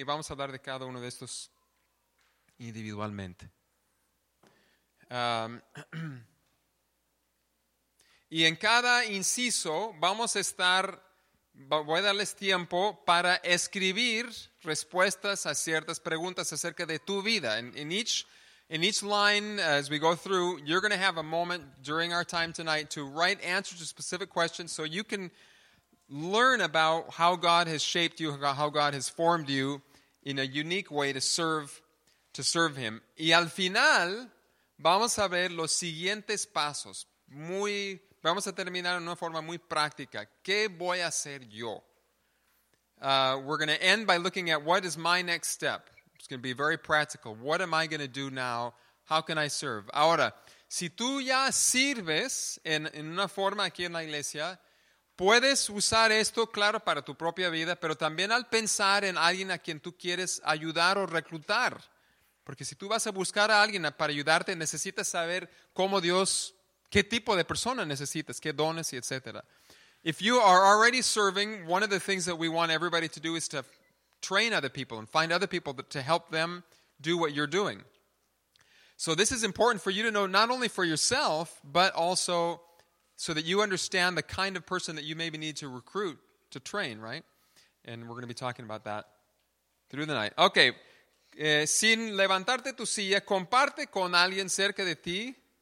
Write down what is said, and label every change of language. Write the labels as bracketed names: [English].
[Spanish] Y vamos a hablar de cada uno de estos individualmente. Y en cada inciso vamos a estar, voy a darles tiempo para escribir respuestas a ciertas preguntas acerca de tu vida. [English] In each line, as we go through, you're going to have a moment during our time tonight to write answers to specific questions so you can learn about how God has shaped you, how God has formed you in a unique way to serve Him. [Spanish] Y al final, vamos a ver los siguientes pasos. Vamos a terminar en una forma muy práctica. ¿Qué voy a hacer yo? [English] We're going to end by looking at what is my next step. It's going to be very practical. What am I going to do now? How can I serve? [Spanish] Ahora, si tú ya sirves en una forma aquí en la iglesia, puedes usar esto, claro, para tu propia vida, pero también al pensar en alguien a quien tú quieres ayudar o reclutar. Porque si tú vas a buscar a alguien para ayudarte, necesitas saber cómo Dios, qué tipo de persona necesitas, qué dones y etcétera. [English] If you are already serving, one of the things that we want everybody to do is to train other people and find other people to help them do what you're doing. So this is important for you to know, not only for yourself, but also so that you understand the kind of person that you maybe need to recruit to train, right? And we're going to be talking about that through the night. [Spanish] Okay, sin levantarte tu silla, comparte con alguien cerca de ti.